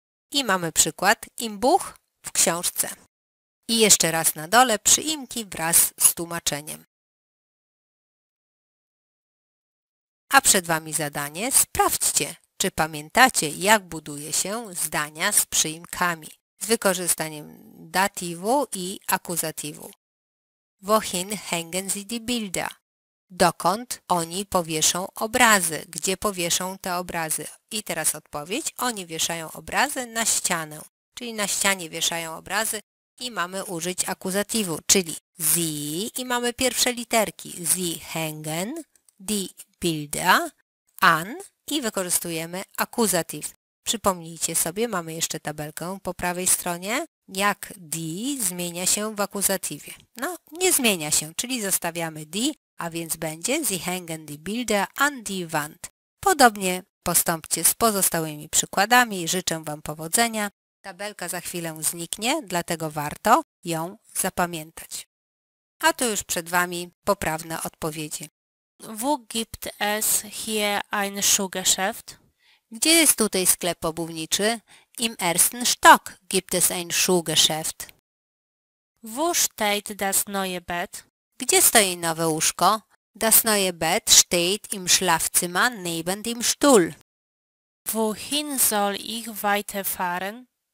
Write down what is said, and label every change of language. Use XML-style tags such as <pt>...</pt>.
<pl>I mamy przykład</pl> <de>im Buch</de> <pl>w książce. I jeszcze raz na dole przyimki wraz z tłumaczeniem. A przed Wami zadanie. Sprawdźcie, czy pamiętacie, jak buduje się zdania z przyimkami. Z wykorzystaniem datywu i akuzatywu.</pl> <de>Wohin hängen Sie die Bilder?</de> <pl>Dokąd oni powieszą obrazy? Gdzie powieszą te obrazy? I teraz odpowiedź. Oni wieszają obrazy na ścianę. Czyli na ścianie wieszają obrazy i mamy użyć akuzatywu, czyli sie i mamy pierwsze literki.</pl> <de>Sie hängen die Bilder an</de> <pl>i wykorzystujemy akuzatyw. Przypomnijcie sobie, mamy jeszcze tabelkę po prawej stronie, jak die zmienia się w akuzatywie. No, nie zmienia się, czyli zostawiamy die. A więc będzie</pl> <de>sie hängen die Bilder an die Wand.</de> <pl>Podobnie postąpcie z pozostałymi przykładami. Życzę Wam powodzenia. Tabelka za chwilę zniknie, dlatego warto ją zapamiętać. A tu już przed Wami poprawne odpowiedzi.</pl> <de>Wo gibt es hier ein Schuhgeschäft?</de> <pl>Gdzie jest tutaj sklep obuwniczy?</pl> <de>Im ersten Stock gibt es ein Schuhgeschäft. Wo steht das neue Bett?</de> <pl>Gdzie stoi nowe łóżko?</pl> <de>Das neue Bett steht im Schlafzimmer neben dem Stuhl. Wohin soll ich weiterfahren?</de>